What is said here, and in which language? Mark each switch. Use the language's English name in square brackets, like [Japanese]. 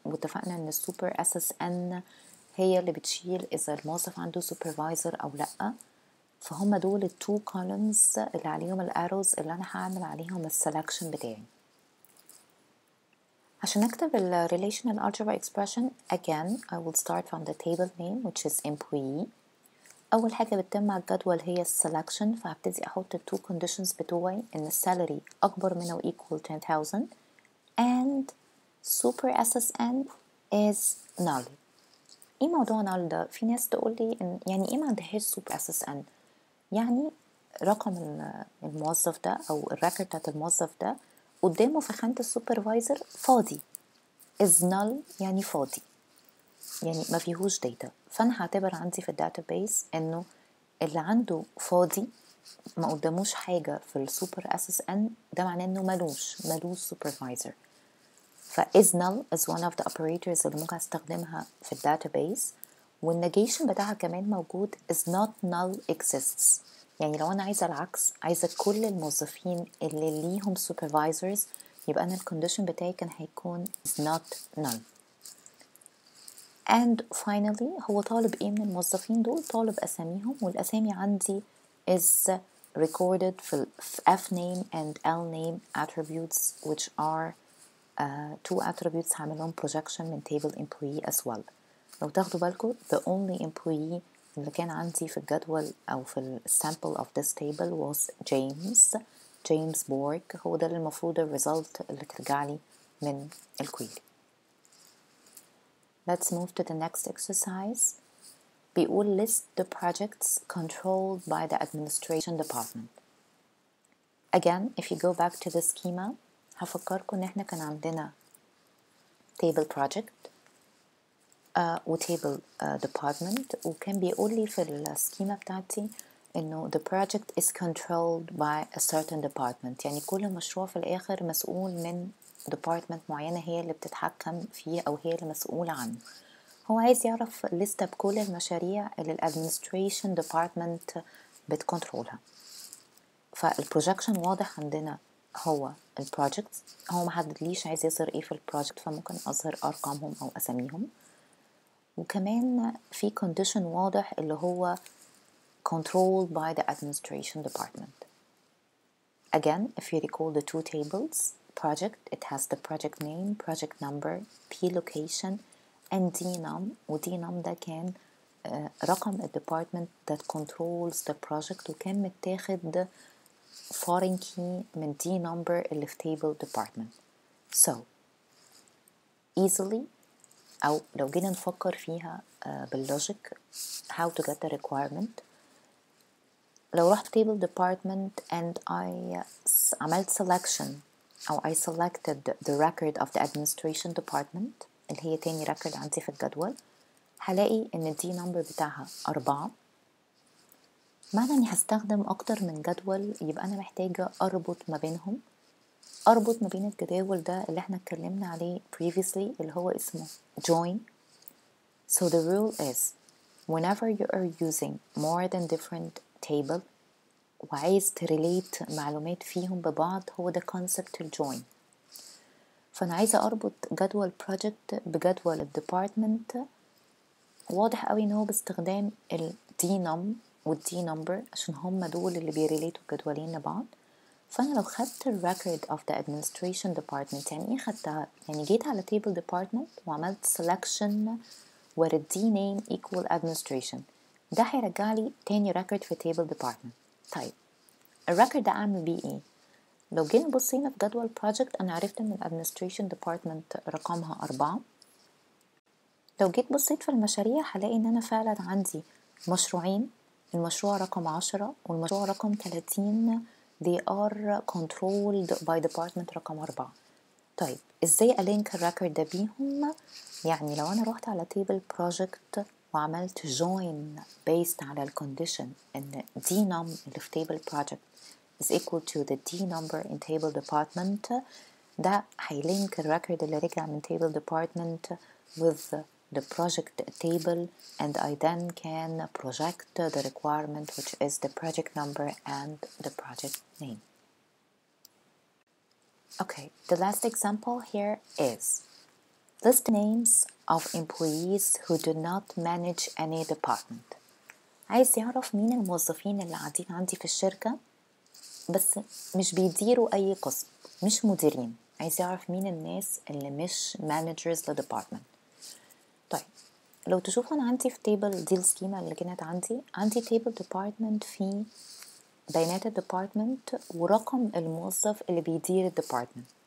[Arabic] واتفقنا ان السوبر اس اس ان هي اللي بتشيل اذا الموظف عنده supervisor او لا. فهما دول التو كولومز اللي عليهم الاروز اللي انا هعمل عليهم السلكشن بتاعي. عشان اكتب ال [English] relational algebra expression again I will start from the table name which is employee. [Arabic] اول حاجة بتتم على الجدول هي السلكشن, فهبتدي احط التو كونديشنز بتوعي ان السالري اكبر من او [English] equal 10,000 and super SSN is null. [Arabic] ايه موضوع null ده؟ في ناس تقول لي ان يعني ايه ما عندهاش super SSN؟ يعني رقم الموظف ده او الريكورد بتاعت الموظف ده قدامه في خانة السوبرفايزر فاضي، [English] is null [Arabic] يعني فاضي، يعني ما فيهوش داتا. فانا هعتبر عندي في الداتابيس انه اللي عنده فاضي ما قداموش حاجة في السوبر SSN، ده معناه انه ملوش سوبرفايزر. [English] فis null is one of the operators [Arabic] اللي ممكن استخدمها في الداتابيس. والنيجيشن بتاعها كمان موجود، [English] is not null exists، [Arabic] يعني لو انا عايزة العكس، عايزة كل الموظفين اللي ليهم supervisors، يبقى انا الكونديشن بتاعي كان هيكون is not null. [English] And finally [Arabic] هو طالب ايه من الموظفين دول؟ طالب اساميهم، والاسامي عندي [English] is recorded في F name and L name attributes which are two attributes عاملهم projection من table employee as well. [Arabic] لو تاخدوا بالكو [English] the only employee [Arabic] اللي كان عندي في الجدول أو في السامبل [English] of this table was James Bork. [Arabic] هو ده المفروض الريزولت اللي ترجع لي من الكويري. [English] Let's move to the next exercise. [Arabic] بيقول [English] list the projects controlled by the administration department. Again, if you go back to the schema, [Arabic] هفكركم ان احنا كان عندنا table project و table department، وكان بيقول لي في السكيما بتاعتي انه [English] the project is controlled by a certain department، [Arabic] يعني كل مشروع في الاخر مسؤول من department معينة هي اللي بتتحكم فيه او هي المسؤولة عنه. هو عايز يعرف لستة بكل المشاريع اللي ال administration department بتكنترولها. فالprojection واضح عندنا هو ال project، هو ما حددليش عايز يظهر ايه في ال project، فممكن اظهر ارقامهم او اساميهم. وكمان في condition واضح اللي هو [English] controlled by the administration department. Again, if you recall the two tables, project, it has the project name, project number, P location, and DNUM. [Arabic] ودNUM ده كان رقم ال [English] department that controls the project، [Arabic] وكان متاخد [English] the foreign key من D number اللي في table department. [Arabic] So, easily, أو لو جينا نفكر فيها باللوجيك [English] how to get the requirement، [Arabic] لو رحت table department and عملت selection أو [English] I selected the record of the administration department [Arabic] اللي هي تاني record عندي في الجدول، هلاقي إن D number بتاعها 4، معنى أني هستخدم أكتر من جدول، يبقى أنا محتاجة أربط ما بينهم، أربط ما بين الجداول ده اللي احنا اتكلمنا عليه previously اللي هو اسمه join. [English] So the rule is whenever you are using more than different table [Arabic] وعايز تريليت معلومات فيهم ببعض، هو [English] the concept to join. [Arabic] فانا عايزة أربط جدول project بجدول department، واضح قوي ان هو باستخدام ال dnum وال d number عشان هم دول اللي بيريليتوا الجدولين لبعض. فأنا لو خدت ال record of the administration department، يعني إيه خدتها؟ يعني جيت على table department وعملت selection [English] where the name equal administration، [Arabic] ده هيرجع لي تاني record في table department. طيب ال record ده أعمل بيه إيه؟ لو جينا بصينا في جدول project، أنا عرفت إن ال administration department رقمها 4. لو جيت بصيت في المشاريع هلاقي إن أنا فعلا عندي مشروعين، المشروع رقم 10 والمشروع رقم 30، [English] they are controlled by department [Arabic] رقم 4. طيب ازاي الينك الريكورد ده بيهم؟ يعني [English] لو انا روحت على table project وعملت join based على الكونديشن ان dnum اللي في table project is equal to the d number in table department، ده هيلينك الريكورد اللي رجع من table department with the project table، and I then can project the requirement which is the project number and the project name. Okay, the last example here is list names of employees who do not manage any department. [Arabic] عايز يعرف مين الموظفين اللي قاعدين عندي في الشركة بس مش بيديروا أي قسم، مش مديرين. عايز يعرف مين الناس اللي مش managers للdepartment. طيب لو تشوفوا انا عندي في table دي السكيما اللي كانت عندي table department في بيانات department ورقم الموظف اللي بيدير department.